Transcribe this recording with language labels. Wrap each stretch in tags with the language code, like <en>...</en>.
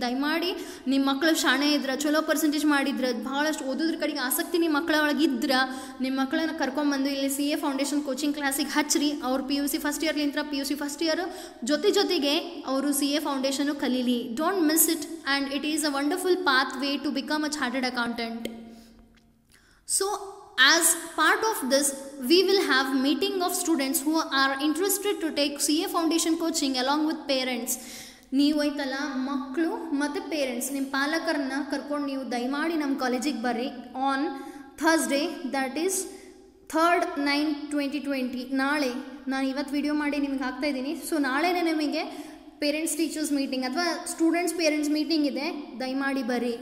<kn>ದಯಮಾಡಿ ನಿಮ್ಮ ಮಕ್ಕಳು ಶಾಣೆ ಇದ್ರೆ, ಚಲೋ ಪರ್ಸೆಂಟೇಜ್ ಮಾಡಿದ್ರೆ, ಭಾಳಷ್ಟು ಓದೋದ್ರ ಕಡೆಗೆ ಆಸಕ್ತಿ ನಿಮ್ಮ ಮಕ್ಕಳ ಒಳಗಿದ್ರೆ ನಿಮ್ಮ ಮಕ್ಕಳನ್ನ ಕರ್ಕೊಂಬಂದು ಇಲ್ಲಿ ಸಿ ಎ ಫೌಂಡೇಶನ್ ಕೋಚಿಂಗ್ ಕ್ಲಾಸಿಗೆ ಹಚ್ಚಿರಿ. ಅವ್ರು P U C first ಇಯರ್ಲಿಂತ್ರ P U C first year ಜೊತೆ ಜೊತೆಗೆ ಅವರು C A foundation ಕಲೀಲಿ.</kn> <en>Don't miss it. And it is a wonderful path way to become a chartered accountant. So as part of this, we will have meeting of students who are interested to take CA foundation coaching along with parents.</en> <kn>ನೀವು ಐತಲ್ಲ ಮಕ್ಕಳು ಮತ್ತು parents, ನಿಮ್ಮ ಪಾಲಕರನ್ನ ಕರ್ಕೊಂಡು ನೀವು ದಯಮಾಡಿ ನಮ್ಮ ಕಾಲೇಜಿಗೆ ಬರ್ರಿ.</kn> <en>On Thursday, that is 3rd 9 2020, ನಾಳೆ.</en> <kn>ನಾನು ಇವತ್ತು ವಿಡಿಯೋ ಮಾಡಿ ನಿಮ್ಗೆ ಹಾಕ್ತಾ ಇದ್ದೀನಿ. ಸೊ ನಾಳೆನೇ ನಿಮಗೆ ಪೇರೆಂಟ್ಸ್ ಟೀಚರ್ಸ್ ಮೀಟಿಂಗ್ ಅಥವಾ ಸ್ಟೂಡೆಂಟ್ಸ್ ಪೇರೆಂಟ್ಸ್ ಮೀಟಿಂಗ್ ಇದೆ, ದಯಮಾಡಿ ಬರ್ರಿ.</kn>